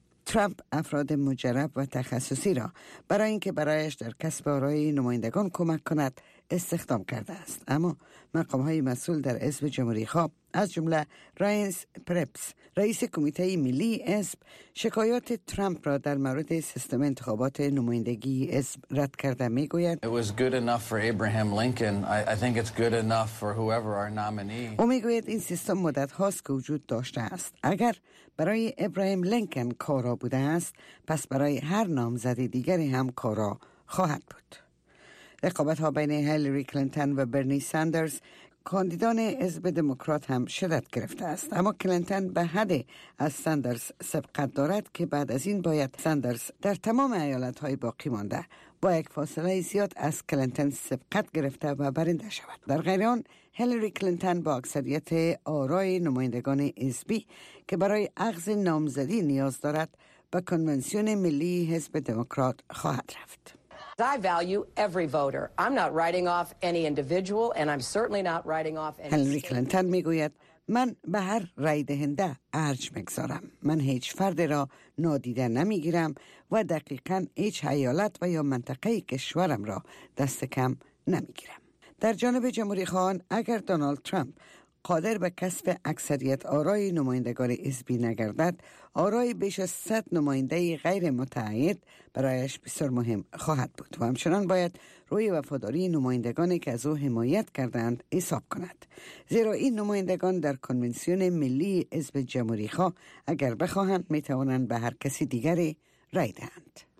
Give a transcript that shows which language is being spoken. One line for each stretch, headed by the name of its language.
Persian: ترامپ افراد مجرب و تخصصی را برای اینکه برایش در کسب آرای نمایندگان کمک کند استخدام کرده است، اما مقام های مسئول در حزب جمهوری خواه از جمله راینز پرپس، رئیس کمیته ملی حزب، شکایات ترامپ را در مورد سیستم انتخابات نمایندگی حزب رد کرده می گوید.
English: It was good enough for Abraham Lincoln. I think it's good enough for whoever our nominee.
Persian: او می گوید این سیستم مدت هاست که وجود داشته است. اگر برای ابراهیم لینکن کارا بوده است، پس برای هر نامزد دیگری هم کارا خواهد بود. رقابت ها بین هیلری کلینتون و برنی ساندرز، کاندیدان حزب دموکرات، هم شدت گرفته است. اما کلینتون به حد از ساندرز سبقت دارد که بعد از این باید ساندرز در تمام ایالت های باقی مانده با یک فاصله زیاد از کلینتون سبقت گرفته و برنده شود. در غیر آن، هیلری کلینتون با اکثریت آرای نمایندگان حزبی که برای اخذ نامزدی نیاز دارد به کنونسیون ملی حزب دموکرات خواهد رفت.
English: I value every voter. I'm not writing off any individual and I'm certainly not writing off any.
Persian: هیلری کلینتون میگوید من به هر رای دهنده ارج میگذارم. من هیچ فرد را نادیده نمیگیرم و دقیقاً هیچ ایالت و یا منطقه کشورم را دست کم نمیگیرم. در جانب جمهوری خواهان، اگر دونالد ترامپ قادر به کسب اکثریت آرای نمایندگان حزبی نگردد، آرای بیش از 100 نماینده غیر متعهد برایش بسیار مهم خواهد بود و همچنان باید روی وفاداری نمایندگانی که از او حمایت کردند حساب کند، زیرا این نمایندگان در کنونسیون ملی حزب جمهوری خواه اگر بخواهند می توانند به هر کسی دیگری رای دهند.